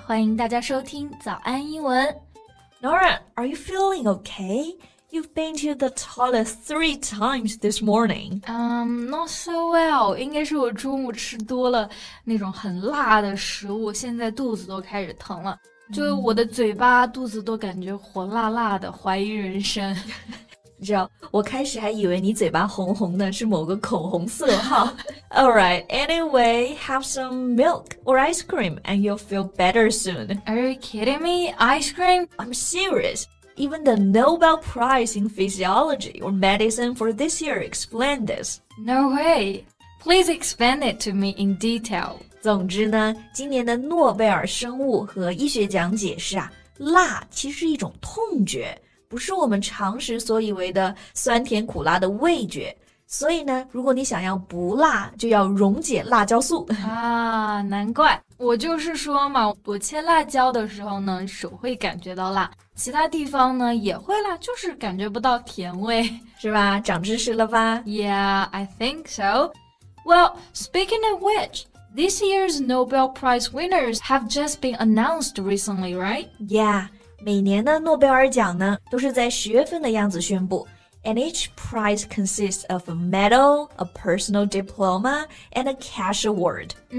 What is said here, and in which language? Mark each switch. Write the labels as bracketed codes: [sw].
[zh] 欢迎大家收听早安英文。 [en] Nora, are you feeling okay? You've been to the toilet 3 times this morning. Not so well. [zh] 应该是我中午吃多了那种很辣的食物，现在肚子都开始疼了。就我的嘴巴、肚子都感觉火辣辣的，怀疑人生。你知道，我开始还以为你嘴巴红红的是某个口红色号。 [en] Alright, anyway, have some milk or ice cream and you'll feel better soon. Are you kidding me? Ice cream? I'm serious. Even the Nobel Prize in Physiology or Medicine for this year explained this. No way. Please explain it to me in detail. [zh] 总之呢，今年的诺贝尔生物和医学奖解释啊，辣其实是一种痛觉。不是我们常识所以为的酸甜苦辣的味觉，所以呢，如果你想要不辣，就要溶解辣椒素啊！难怪我就是说嘛，我切辣椒的时候呢，手会感觉到辣，其他地方呢也会辣，就是感觉不到甜味，是吧？长知识了吧 [en] ？Yeah, I think so. Well, speaking of which. This year's Nobel Prize winners have just been announced recently, right? [zh] Yeah, 每年的诺贝尔奖呢都是在10月份的样子宣布。 [en] And each prize consists of a medal, a personal diploma, and a cash award.